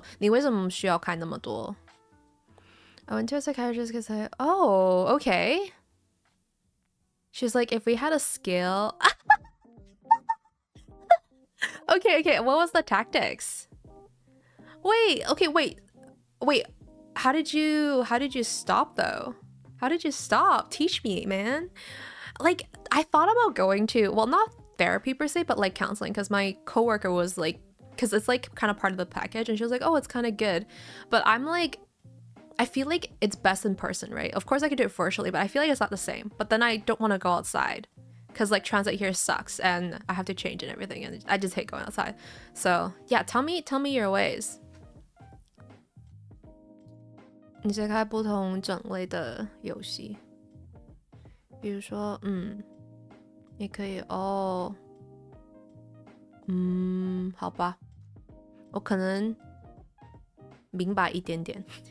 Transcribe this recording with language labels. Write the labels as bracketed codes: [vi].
[zh] 哦哦，所以它已经是基本的。我以为你说的是你可以开，就是比如说你可以开两个、三个之类的。我就想说，你为什么需要开那么多 [en] ？I went to a psychiatrist because I oh okay. She's like, if we had a scale. okay. What was the tactics? Wait. How did you stop though? How did you stop? Teach me, man. Like, I thought about going to, well, not therapy per se, but like counseling, because my coworker was like, because it's like kind of part of the package, and she was like, oh, it's kind of good. But I'm like, I feel like it's best in person, right? Of course I could do it virtually, but I feel like it's not the same. But then I don't want to go outside because like transit here sucks and I have to change and everything, and I just hate going outside. So yeah, tell me your ways. [zh] 你解开不同种类的游戏，比如说，你可以哦，好吧，我可能明白一点点。